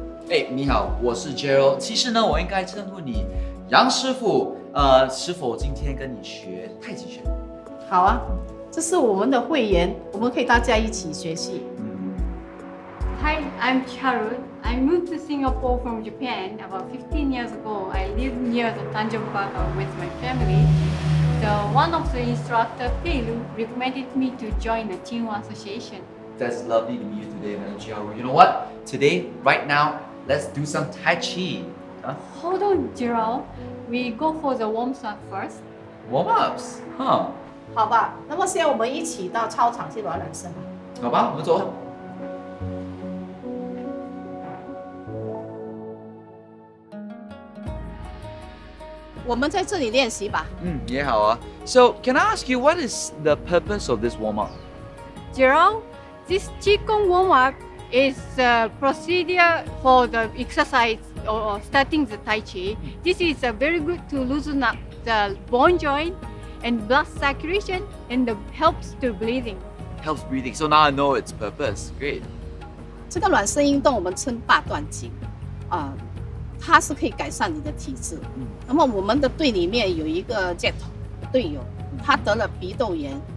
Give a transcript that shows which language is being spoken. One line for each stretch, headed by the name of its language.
Chinese: 哎, 你好,我是 Jerald 其实呢,我应该称呼你杨师傅 师傅今天跟你学太极拳好啊, 这是我们的会员 我们可以大家一起学习
English: Hi, I'm Jerald. I moved to Singapore from Japan about 15 years ago. I live near the Tanjung Pagar with my family. So one of the instructors, Pei Lu, recommended me to join the Chin Wu Association. That's lovely to meet you today, Madam Jerald. You know what? Today, right now, let's do some Tai Chi. Huh? Hold on, Jerald. We go for the warm-ups first. Warm-ups? Huh.
Chinese: 好吧,那么现在我们一起到操场去玩人生吧。好吧,我们走。我们在这里练习吧。也好啊。
English: So, can I ask you, what is the purpose of this warm-up? Jerald, this Qigong warm-up is a procedure for the exercise or starting the Tai Chi. This is a very good to loosen up the bone joint and blood circulation and helps to breathing. Helps breathing. So now I know its purpose. Great.
Chinese: 这个软式运动我们称八段锦，它是可以改善你的体质。那么我们的队里面有一个Jet队友，他得了鼻窦炎。